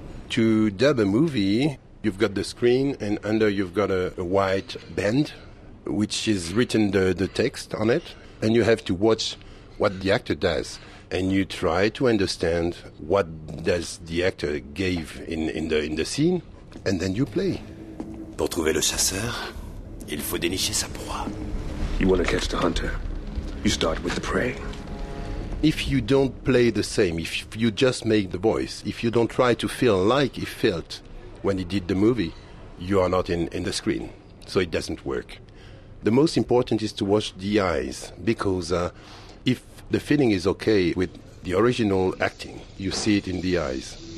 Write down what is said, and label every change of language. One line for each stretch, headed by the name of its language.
English: To dub a movie, you've got the screen, and under you've got a white band, which is written the text on it, and you have to watch what the actor does. And you try to understand what does the actor gave in the scene, and then you play.
French: Pour trouver le chasseur, il faut dénicher sa proie.
English: You want to catch the hunter, you start with the prey. If you don't play the same, if you just make the voice, if you don't try to feel like he felt when he did the movie, you are not in the screen, so it doesn't work. The most important is to watch the eyes, because if the feeling is okay with the original acting, you see it in the eyes.